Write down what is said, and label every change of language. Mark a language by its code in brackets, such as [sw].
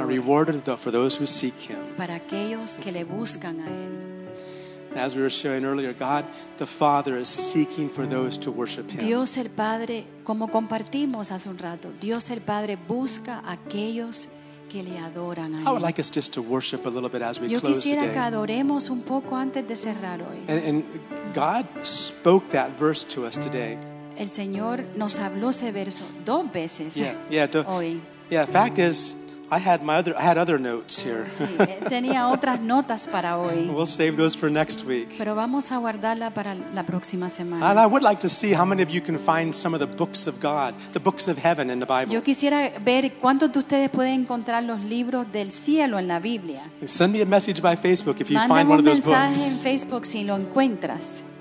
[en] A rewarder for those who seek him. [es] Para aquellos que le buscan a él. [en] As we were sharing earlier, God the Father is seeking for those to worship Him. [es] Dios el Padre, como compartimos hace un rato, Dios el Padre busca aquellos que le adoran a él. [en] I would like us just to worship a little bit as we close today. [es] Yo quisiera que adoremos un poco antes de cerrar hoy. [en] And God spoke that verse to us today. [es] El Señor nos habló ese verso dos veces. Hoy. [en] Yeah, the fact is, I had other notes here. [es] Sí, tenía otras notas para hoy. [en] We'll save those for next week. [es] Pero vamos a guardarla para la próxima semana. [en] And I would like to see how many of you can find some of the books of God, the books of heaven in the Bible. [es] Yo quisiera ver cuántos de ustedes pueden encontrar los libros del cielo en la Biblia. [en] Send me a message by Facebook if you [es] Mándame [en] find one of those books. [es] Mándame un mensaje en Facebook si lo encuentras.